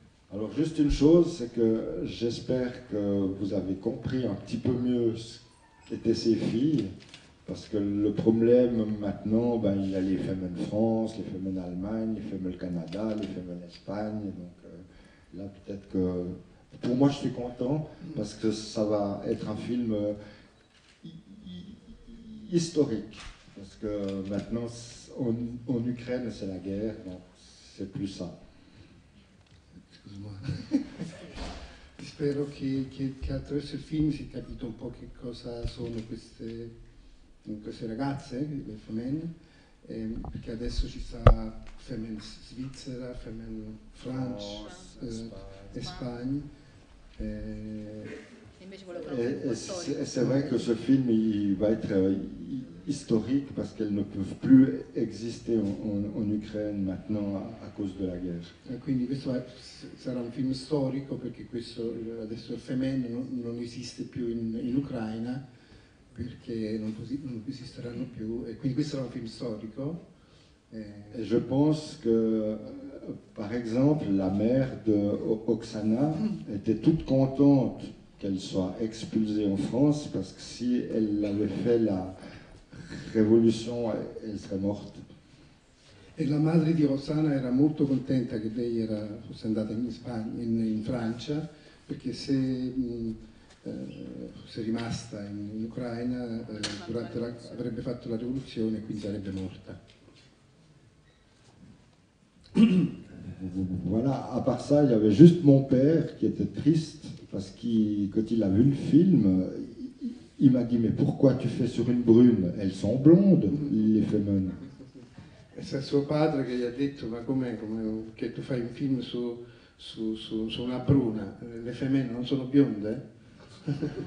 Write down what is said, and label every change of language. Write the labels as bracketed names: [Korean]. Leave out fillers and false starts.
[French] Alors juste une chose, c'est que j'espère que vous avez compris un petit peu mieux ce qu'étaient ces filles, parce que le problème maintenant, ben, il y a les femmes en France, les femmes en Allemagne, les femmes au Canada, les femmes en Espagne, donc là peut-être que... Pour moi je suis content, parce que ça va être un film historique, parce que maintenant en Ukraine c'est la guerre, donc c'est plus ça. [Italian] Spero che attraverso il film si è capito un po' che cosa sono queste ragazze, le femmine, perché adesso ci sta femmine Svizzera, femmine France, Spagna. Spagna. [French] Et c'est vrai que ce film il va être historique parce qu'elles ne peuvent plus exister en Ukraine maintenant à cause de la guerre. [Italian] Et quindi questo sarà un film storico perché questo adesso il femmine non esiste più in Ucraina perché non esisteranno più, e quindi questo sarà un film storico. [French] Et je pense que par exemple la mère de Oksana était toute contente qu'elle soit expulsée en France, parce que si elle avait fait la révolution, elle serait morte. [Italian] Et la madre de Rosana era molto contenta che lei era fosse andata in Spagna, in Francia, perché se fosse rimasta in Ucraina durante la, avrebbe fatto la rivoluzione e quindi sarebbe morta. [French] Voilà, à part ça, il y avait juste mon père qui était triste parce que quand il a vu le film, il m'a dit: mais pourquoi tu fais sur une brune? Elles sont blondes, les femmes. Et c'est son père qui lui a dit: ma comment, que tu fais un film sur une brune? Les femmes ne sont pas blondes.